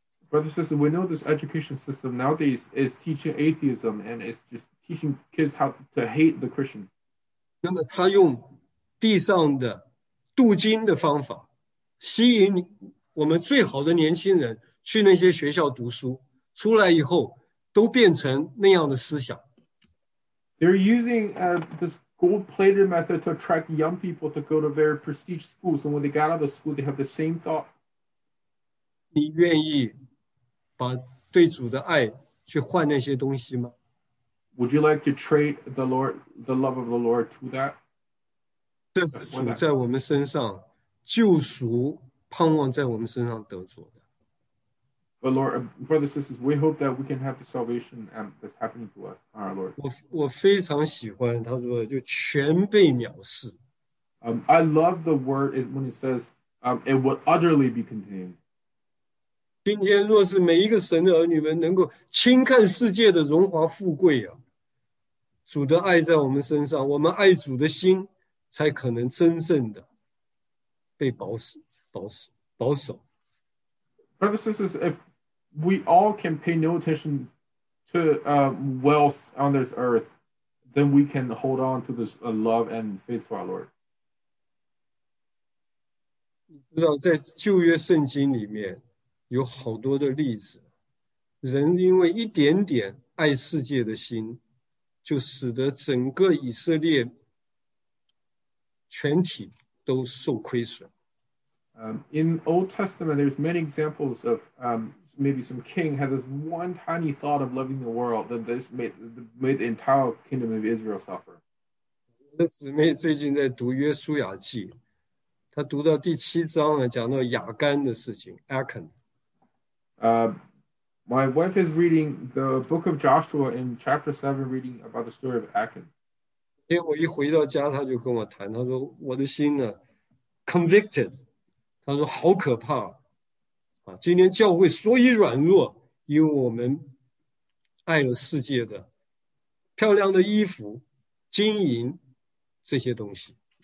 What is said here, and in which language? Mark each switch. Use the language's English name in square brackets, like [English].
[English] Brothers and sisters, we know this education system nowadays is teaching atheism and is just teaching kids how to hate the Christian. [Chinese] 那么他用地上的镀金的方法吸引我们最好的年轻人去那些学校读书，出来以后都变成那样的思想。 [English] They're using this gold-plated method to attract young people to go to very prestige schools, and when they got out of the school, they have the same thought. [Chinese] 你愿意把对主的爱去换那些东西吗？ [English] Would you like to trade the Lord, the love of the Lord to that? [Chinese] 这是主在我们身上救赎盼望在我们身上得着的。 [English] But Lord, brothers and sisters, we hope that we can have the salvation that's happening to us, our Lord. [Chinese] 我非常喜欢他说就全被藐视。 [English] I love the word when it says it would utterly be contained. [Chinese] 今天若是每一个神的儿女们能够轻看世界的荣华富贵啊，主的爱在我们身上，我们爱主的心才可能真正的被保守。 [English] Brothers and sisters, if we all can pay no attention to wealth on this earth, then we can hold on to this love and faith for our Lord. [Chinese] 你知道，在旧约圣经里面有好多的例子，人因为一点点爱世界的心，就使得整个以色列全体都受亏损。 [English] In Old Testament, there's many examples of maybe some king had this one tiny thought of loving the world that this made the entire kingdom of Israel suffer. [Chinese] 我的姊妹最近在读约书亚记，她读到第七章了，讲到亚干的事情 ，Achan. [English] My wife is reading the book of Joshua in chapter 7, reading about the story of Achan. [Chinese] 因为我一回到家，她就跟我谈，她说我的心呢 convicted. 他说好可怕啊，今天教会所以软弱，因为我们爱了世界的漂亮的衣服、金银这些东西。